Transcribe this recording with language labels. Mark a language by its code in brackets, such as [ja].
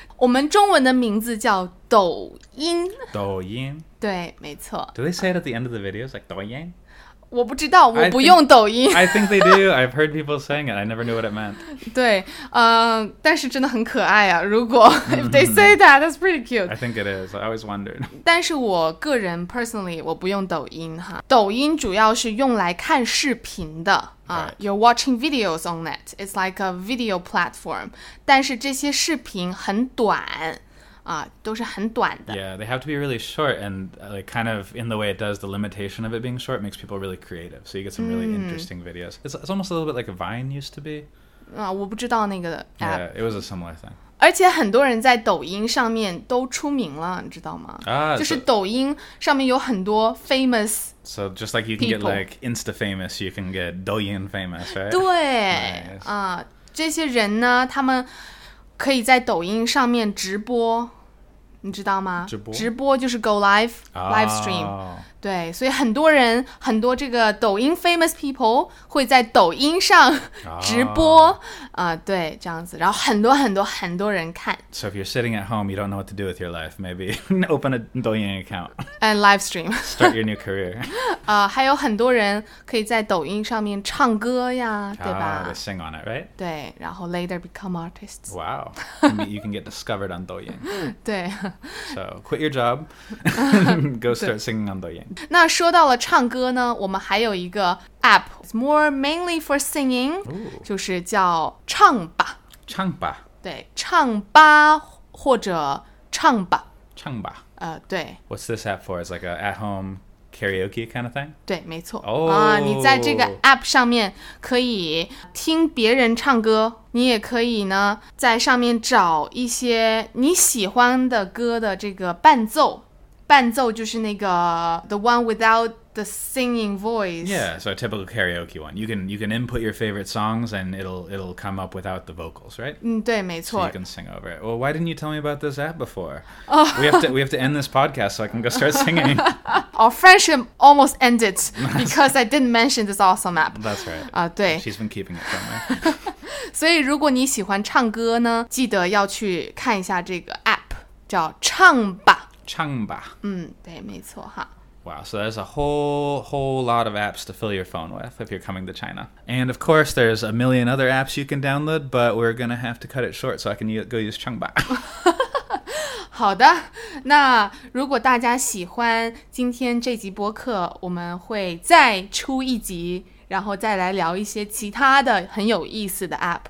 [zh] 我们中文的名字叫抖音。抖音。对，没错。 [en] Do they say it at the end of the videos, like 抖音？ [zh] 我不知道，我不用抖音。 [en] I think they do. I've heard people saying it. I never knew what it meant. [zh] 对，但是真的很可爱啊，如果 [en] if they say that, that's pretty cute. I think it is. I always wondered. [zh] 但是我个人 [en] personally, [zh] 我不用抖音哈。抖音主要是用来看视频的。 [en] Right. You're watching videos on it. It's like a video platform. [zh] 但是这些视频很短。都是很短的。 [en] Yeah, they have to be really short, and like kind of in the way it does, the limitation of it being short makes people really creative. So you get some really interesting videos. It's almost a little bit like a Vine used to be. [zh] 我不知道那个 app. [en] Yeah, it was a similar thing. [zh] 而且很多人在抖音上面都出名了，你知道吗？就是抖音上面有很多 [en] famous people. So just like you can get like Insta famous, you can get 抖音 famous, right? [zh] 对。 [en] Nice. [zh] 这些人呢，他们可以在抖音上面直播，你知道吗？直播就是 [en] go live, live stream. [zh] 对，所以很多人，很多这个抖音 [en] famous people [zh] 会在抖音上直播，对，这样子，然后很多很多很多人看。 [en] So if you're sitting at home, you don't know what to do with your life, maybe open a 抖音 account. And live stream. Start your new career. [zh] 还有很多人可以在抖音上面唱歌呀，对吧？ [en] They sing on it, right? [zh] 对，然后 [en] later become artists. Wow. You can get discovered on 抖音。 [zh] 对。 [en] So quit your job, go start singing on 抖音。 [zh] 那说到了唱歌呢，我们还有一个 app, [en] it's more mainly for singing,、 Ooh. [zh] 就是叫唱吧。唱吧。对，唱吧或者唱吧。唱吧。对。 [en] What's this app for? It's like an at-home karaoke kind of thing? [zh] 对，没错。 Oh. 你在这个 app 上面可以听别人唱歌，你也可以呢在上面找一些你喜欢的歌的这个伴奏。伴奏就是那个 [en] the one without the singing voice. Yeah, so a typical karaoke one. You can input your favorite songs and it'll come up without the vocals, right? [zh] 对，没错。 [en] So you can sing over it. Well, why didn't you tell me about this app before? Oh. We have to end this podcast so I can go start singing. Our friendship almost ended because I didn't mention this awesome app. That's right. [zh] 对。 [en] She's been keeping it from me. [zh] 所以如果你喜欢唱歌呢，记得要去看一下这个 app， 叫唱吧。唱吧。对，没错哈。 [en] Wow, so there's a whole lot of apps to fill your phone with if you're coming to China. And of course, there's a million other apps you can download, but we're going to have to cut it short so I can go use Changba. [zh] 好的，那如果大家喜欢今天这集播客，我们会再出一集，然后再来聊一些其他的很有意思的 app。